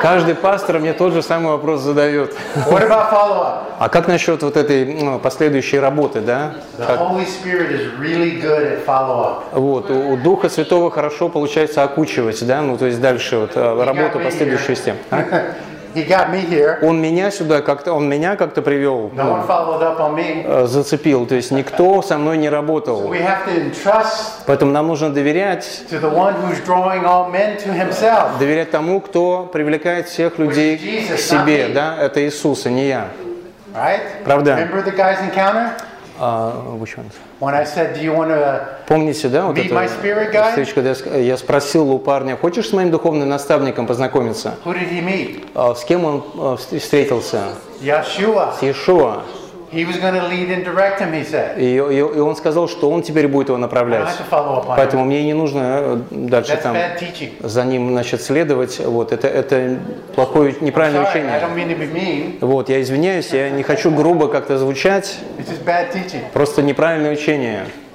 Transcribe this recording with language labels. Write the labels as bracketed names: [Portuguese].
[Russian] Каждый пастор мне тот же самый вопрос задает. [English] What about follow-up? [Russian] А как насчет вот этой, ну, последующей работы, да? [English] Holy Spirit is really good at follow-up. [Russian] Вот, у Духа Святого хорошо получается окучивать, да, ну, то есть дальше вот работу последующую с тем. [English] He got me here. [Russian] Он меня сюда как-то, он меня как-то привел. [English] No one followed up on me. [Russian] Зацепил, то есть никто со мной не работал. [English] So we have to entrust. [Russian] Поэтому нам нужно доверять. [English] To the one who's drawing all men to himself. [Russian] Доверять тому, кто привлекает всех людей к себе, да? Это Иисус, а не я. [English] Right? [Russian] Правда? [English] Remember the guy's encounter? Which one? When I said, do you want to [Russian] Помните, да, [English] meet [Russian] вот [English] my spirit guy? [Russian] Встреча, когда я спросил у парня, хочешь с моим духовным наставником познакомиться? [English] Who did he meet? [Russian] С кем он встретился? [English] Yeshua. [Russian] С Иешуа. [English] He was going to lead and direct him, he said. [Russian] И он сказал, что он теперь будет его направлять. [English] I have to follow up on [Russian] Поэтому [English] him. [Russian] Мне не нужно дальше [English] That's [Russian] там [English] bad teaching. [Russian] За ним, значит, следовать. Вот, это плохое, неправильное учение. [English] I don't mean to be mean. [Russian] Вот, я извиняюсь, я не хочу грубо как-то звучать. [English] It's just bad teaching. [Russian] Просто неправильное учение.